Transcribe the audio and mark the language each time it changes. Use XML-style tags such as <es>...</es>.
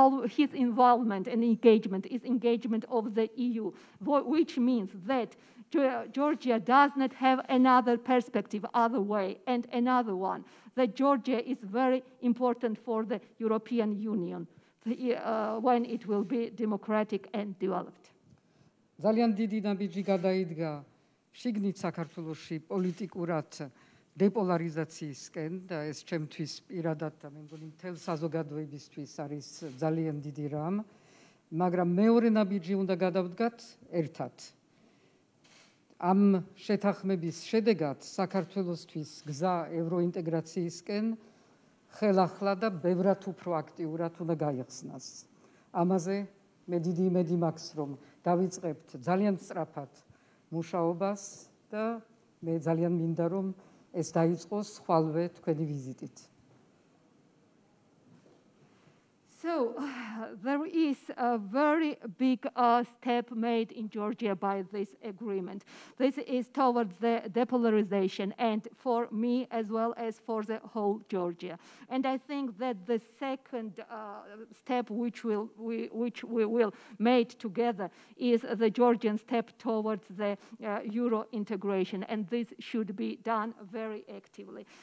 <en>his involvement and engagement is engagement of the EU, which means that Georgia does not have another perspective, other way, and another one, that Georgia is very important for the European Union when it will be democratic and developed.</en> <ka>ძალიან დიდი ნაბიჯი გადაიდგა შიგნით საქართველოსი პოლიტიკურად დეპოლარიზაციისკენ და ეს ჩემთვის პირადად და მე მგონი მთელ საზოგადოებისთვის არის ძალიან დიდი რამ, მაგრამ მეორე ნაბიჯი უნდა გადავდგათ ერთად. ამ შეთანხმების შედეგად საქართველოსთვის გზა ევროინტეგრაციისკენ ხელახლა და ბევრად უფრო აქტიურად უნდა გაიხსნას. ამაზე მე დიდი იმედი მაქვს, რომ დავიწყებთ ძალიან სწრაფად მუშაობას და მე ძალიან მინდა რომ ეს დაიწყოს ხვალვე თქვენი ვიზიტით.</ka> <en>So there is a very big step made in Georgia by this agreement. This is towards the depolarization and for me as well as for the whole Georgia. And I think that the second step which we will made together is the Georgian step towards the Euro integration, and this should be done very actively.</en>